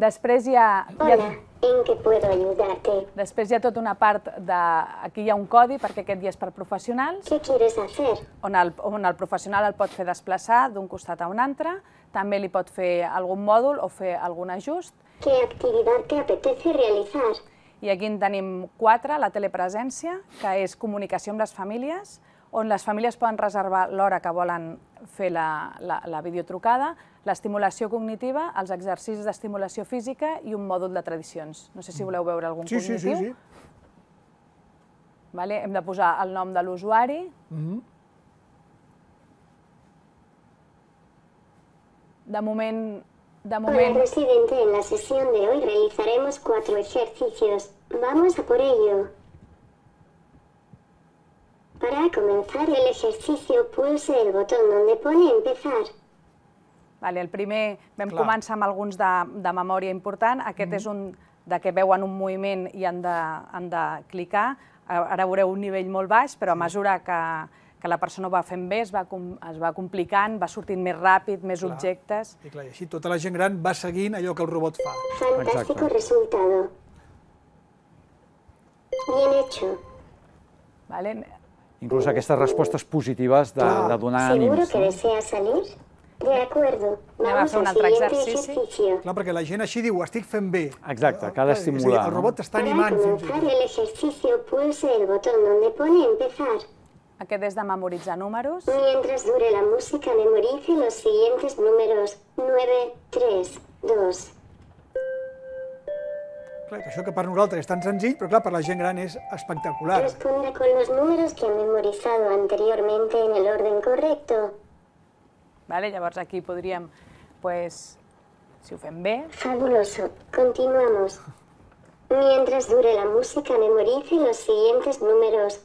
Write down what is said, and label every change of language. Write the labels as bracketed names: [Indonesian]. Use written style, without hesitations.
[Catalan] Després hi ha... [Spanish] ¿En qué puedo ayudarte? [Catalan] Després hi ha tota una part de... Aquí hi ha un codi perquè aquest dia és per professionals. [Spanish] ¿Qué quieres hacer? [Catalan] On el professional el pot fer desplaçar d'un costat a un altre. També li pot fer algun mòdul o fer algun ajust. [Spanish] ¿Qué actividad te apetece realizar? [Catalan] I aquí en tenim quatre, la telepresència, que és comunicació amb les famílies, on les famílies poden reservar l'hora que volen fer la videotrucada, l'estimulació cognitiva, els exercicis d'estimulació física i un mòdul de tradicions. No sé si voleu veure algun cognitiu. Sí, sí, sí. Vale, hem de posar el nom de l'usuari. De moment... [Spanish] Hola, presidente, en la sesión de hoy realizaremos cuatro ejercicios. Vamos a por ello. Para comenzar el ejercicio, pulse el botón donde pone empezar. [Catalan] Vale, el primer vam començar amb alguns de memòria important. Aquest és un de que veuen un moviment i han de clicar. Ara veureu un nivell molt baix, però a mesura que la persona ho va fent bé, es va complicant, va sortint més ràpid, més objectes. I clar, i així tota la gent gran va seguint allò que el robot fa. [Spanish] Fantástico resultado. Bien hecho. Vale. [Catalan] Inclús aquestes respostes positives de donar ànims. [Spanish] ¿Seguro que desea salir? De acuerdo. Vamos [Catalan] a fer un altre exercici. Clar, perquè la gent així diu, estic fent bé. Exacte, cal estimular. És a dir, el robot està animant. [Spanish] Para comenzar el ejercicio, pulse el botón donde pone empezar. [Catalan] Aquest és de memoritzar números. [Spanish] Mientras dure la música, memorice los siguientes números. 9, 3, 2. [Catalan] Clar, això que per nosaltres és tan senzill, però clar, per la gent gran és espectacular. [Spanish] Responde con los números que han memorizado anteriormente en el orden correcto. [Catalan] Vale, llavors aquí podríem, pues, si ho fem bé... [Spanish] Fabuloso. Continuamos. Mientras dure la música, memorice los siguientes números.